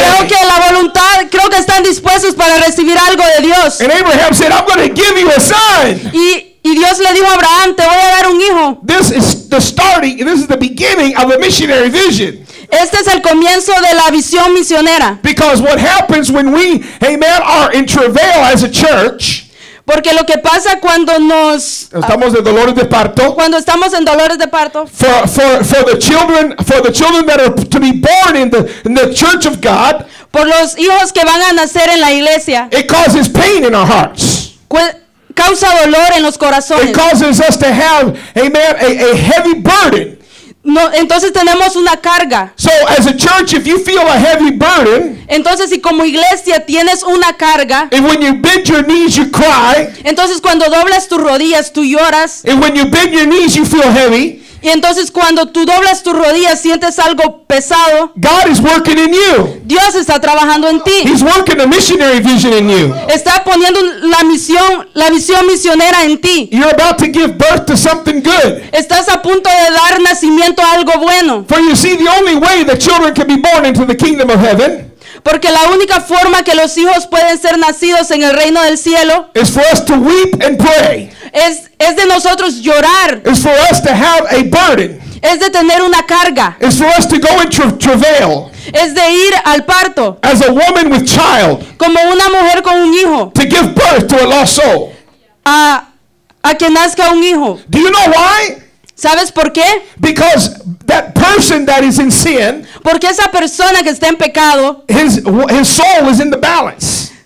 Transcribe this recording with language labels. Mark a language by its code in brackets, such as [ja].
[es] Creo que la voluntad, creo que están dispuestos para recibir algo de Dios. [en] And Abraham said, I'm going to give you a son. [es] Y Dios le dijo a Abraham, te voy a dar un hijo. [en] This is the starting, this is the beginning of a missionary vision. [es] Este es el comienzo de la visión misionera. [en] Because what happens when we, amen, are in travail as a church. [es] Porque lo que pasa cuando nos estamos en dolores de parto. Cuando estamos en dolores de parto. [en] For the children that are to be born in the church of God. [es] Por los hijos que van a nacer en la iglesia. [en] It causes pain in our hearts. [es] Causa dolor en los corazones. [en] It causes us to have, amen, a heavy burden. [es] No, entonces tenemos una carga. [en] So as a church, if you feel a heavy burden, [es] entonces si como iglesia tienes una carga, [en] and when you bend your knees you cry, [es] entonces cuando doblas tus rodillas tú lloras, [en] and when you bend your knees you feel heavy, [es] y entonces cuando tú doblas tus rodillas sientes algo pesado, [en] God is working in you. [es] Dios está trabajando en ti. [en] He's working a missionary vision in you. [es] Está poniendo la visión misionera en ti. [en] You're about to give birth to something good. [es] Estás a punto de dar nacimiento a algo bueno. [en] For you see, the only way that children can be born into the kingdom of heaven, [es] porque la única forma que los hijos pueden ser nacidos en el reino del cielo, [en] is for us to weep and pray. [es] Es de nosotros llorar. [en] Is for us to have a burden. [es] Es de tener una carga. [en] Is for us to go in travail. [es] Es de ir al parto. [en] As a woman with child. [es] Como una mujer con un hijo. [en] To give birth to a lost soul. [es] A que nazca un hijo. [en] Do you know why? [es] ¿Sabes por qué? [en] Because that person that is in sin. [es] Porque esa persona que está en pecado. [en] His soul is in the balance.